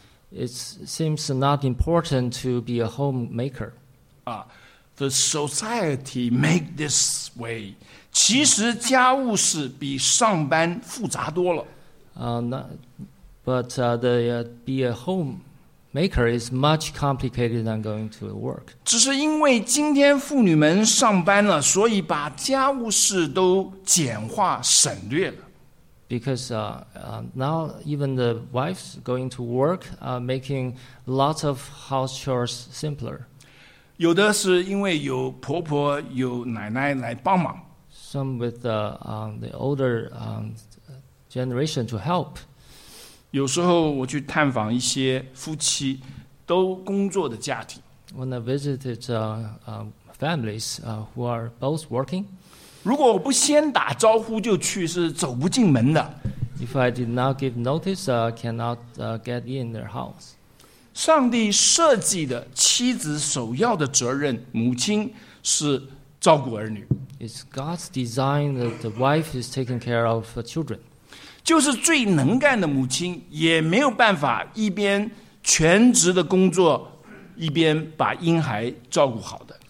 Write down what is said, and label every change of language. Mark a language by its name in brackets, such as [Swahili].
[English] It seems not important to be a homemaker. The society make this way. [Chinese] 其实家务事比上班复杂多了。 [English] But the be a homemaker maker is much complicated than going to work. [Chinese] 只是因为今天妇女们上班了，所以把家务事都简化省略了。 [English] Because now even the wives going to work are making lots of house chores simpler. [Chinese] 有的是因为有婆婆有奶奶来帮忙。 [English] Some with the older generation to help. [Chinese] 有时候我去探访一些夫妻都工作的家庭。 [English] When I visited families who are both working. [Chinese] 如果我不先打招呼就去是走不进门的。 [English] If I did not give notice, I cannot get in their house. [Chinese] 上帝设计的妻子首要的责任，母亲是照顾儿女。 [English] It's God's design that the wife is taking care of her children. [Chinese] 就是最能干的母亲也没有办法一边全职的工作一边把婴孩照顾好的。